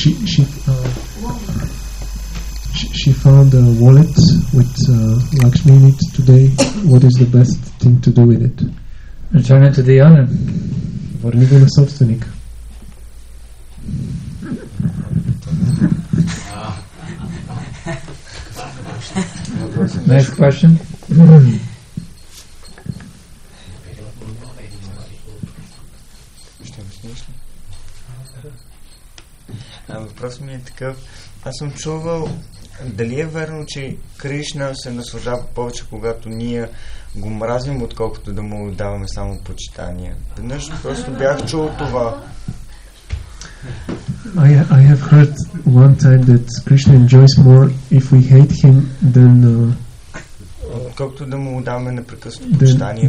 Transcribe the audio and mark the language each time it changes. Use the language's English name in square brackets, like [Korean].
[English] She found a wallet with Lakshmi in it today. What is the best thing to do with it? Return it to the owner. [Bulgarian] Върни го на собственика. [English] Next question. [Bulgarian] Въпросът ми е такъв. Аз съм чувал, дали е верно, че Кришна се наслаждава повече, когато ние го мразим, отколкото да му даваме само почитание. Веднъж просто бях чул това. [English] I have heard one time that Krishna enjoys more if we hate him than [Bulgarian] колкото да му даваме непрекъснато почитание.